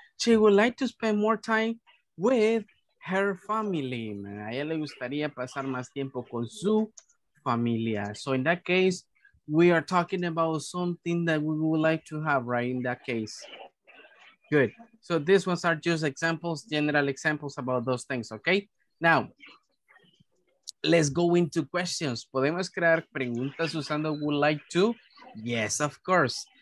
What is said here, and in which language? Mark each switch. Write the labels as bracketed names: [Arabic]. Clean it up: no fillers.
[English] She would like to spend more time with her family. [Spanish] A ella le gustaría pasar más tiempo con su familia. [English] So in that case, we are talking about something that we would like to have, right? In that case. Good. So these ones are just examples, general examples about those things, okay? Now, let's go into questions. [Spanish] ¿Podemos crear preguntas usando would like to? [English] Yes, of course.